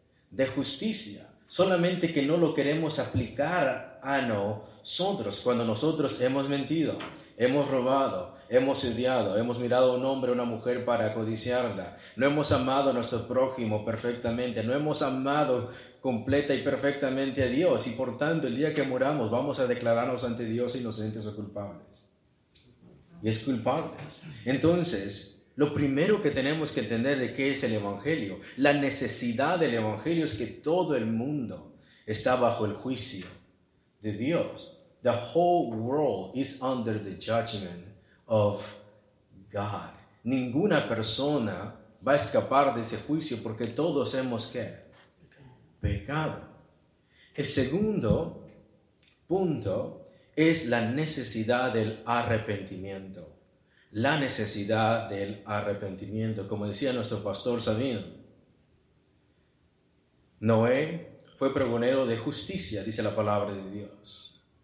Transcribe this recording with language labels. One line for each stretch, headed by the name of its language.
Spanish: De justicia, solamente que no lo queremos aplicar a nosotros cuando nosotros hemos mentido, hemos robado, hemos odiado, hemos mirado a un hombre o una mujer para codiciarla, no hemos amado a nuestro prójimo perfectamente, no hemos amado completa y perfectamente a Dios, y por tanto el día que muramos vamos a declararnos ante Dios inocentes o culpables. Y es culpables. Entonces, lo primero que tenemos que entender de qué es el Evangelio, la necesidad del Evangelio es que todo el mundo está bajo el juicio de Dios.
English: The whole world is under the judgment of God.
Spanish: Ninguna persona va a escapar de ese juicio porque todos hemos ¿qué? Pecado. El segundo punto es la necesidad del arrepentimiento. La necesidad del arrepentimiento. Como decía nuestro pastor Sabino, Noé fue pregonero de justicia, dice la palabra de Dios.